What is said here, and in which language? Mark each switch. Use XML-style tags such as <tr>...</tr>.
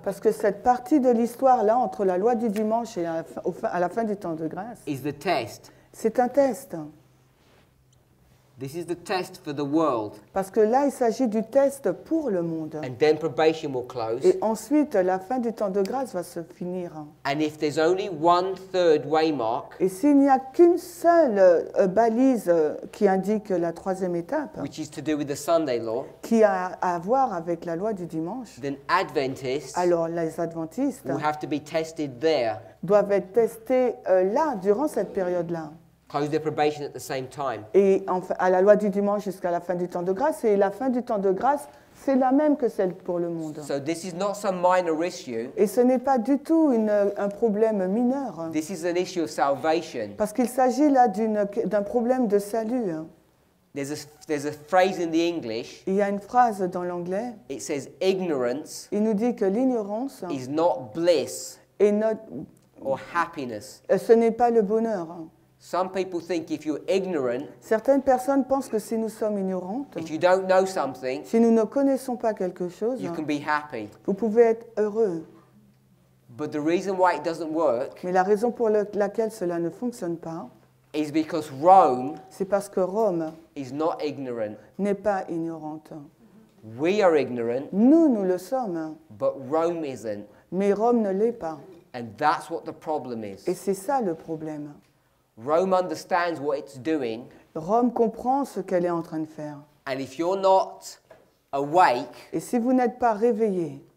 <fr>Parce que cette partie de l'histoire là, entre la loi du dimanche et à la fin du temps de grâce.</fr> <en>Is the test.</en> <fr>C'est un test.</fr> <en>This is the test for the world.</en> <fr>Parce que là, il s'agit du test pour le monde.</fr> <en>And then probation will close.</en> <fr>Et ensuite, la fin du temps de grâce va se finir.</fr> <en>And if there's only one third waymark.</en> <fr>Et s'il n'y a qu'une seule balise qui indique la troisième étape.</fr> <en>Which is to do with the Sunday law.</en> <fr>Qui a à voir avec la loi du dimanche.</fr> <en>Then Adventists.</en> <fr>Alors les Adventistes.</fr> <en>Will have to be tested there.</en> <fr>Doivent être testés là durant cette période là.</fr> <en>Close their probation at the same time.</en> <fr>Et enfin, à la loi du dimanche jusqu'à la fin du temps de grâce, et la fin du temps de grâce, c'est la même que celle pour le monde.</fr> <en>So this is not some minor issue.</en> <fr>Et ce n'est pas du tout un problème mineur.</fr> <en>This is an issue of salvation.</en> <fr>Parce qu'il s'agit là d'un problème de salut.</fr> <en>There's a phrase in the English.</en> <fr>Il y a une phrase dans l'anglais.</fr> <en>It says ignorance.</en> <fr>Il nous dit que l'ignorance</fr> <en>is not bliss. Et not or happiness.</en> <fr>Ce n'est pas le bonheur.</fr> <en>Some people think if you're ignorant,</en> <fr>certaines personnes pensent que si nous sommes ignorantes,</fr> <en>if you don't know something,</en> <fr>si nous ne connaissons pas quelque chose,</fr> <en>you can be happy.</en> <fr>Vous pouvez être heureux.</fr> <en>But the reason why it doesn't work,</en> <fr>mais la raison pour laquelle cela ne fonctionne pas,</fr> <en>is because Rome,</en> <fr>c'est parce que Rome,</fr> <en>is not ignorant,</en> <fr>n'est pas ignorante.</fr> <en>We are ignorant,</en> <fr>nous le sommes,</fr> <en>but Rome isn't,</en> <fr>mais Rome ne l'est pas.</fr> <en>And that's what the problem is.</en> <fr>Et c'est ça le problème.</fr> <en>Rome understands what it's doing.</en> <fr>Rome comprend ce qu'elle est en train de faire.</fr> <en>And if you're not awake,</en> <fr>et si vous n'êtes pas réveillé,</fr>